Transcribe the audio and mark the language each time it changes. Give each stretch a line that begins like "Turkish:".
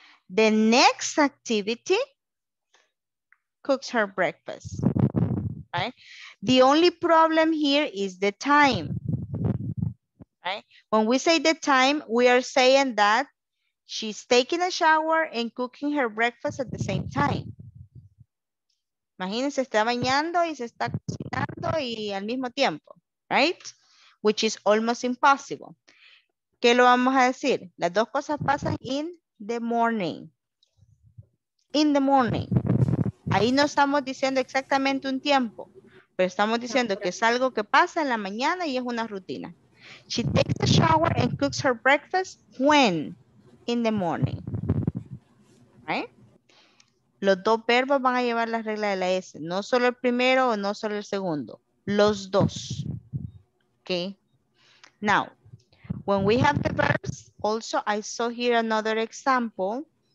English: The next activity, cooks her breakfast, right? The only problem here is the time. Right? When we say the time, we are saying that she's taking a shower and cooking her breakfast at the same time.
Spanish: Imagínense, está bañando y se está cocinando y al mismo tiempo, right?
English: Which is almost impossible.
Spanish: ¿Qué lo vamos a decir? Las dos cosas pasan
English: in the morning. In the morning.
Spanish: Ahí no estamos diciendo exactamente un tiempo, pero estamos diciendo que es algo que pasa en la mañana y es una rutina.
English: She takes a shower and cooks her breakfast when? In the morning. Right?
Spanish: Los dos verbos van a llevar la regla de la S. No solo el primero o no solo el segundo. Los dos. Okay?
English: Now, when we have the verbs, also I saw here another example.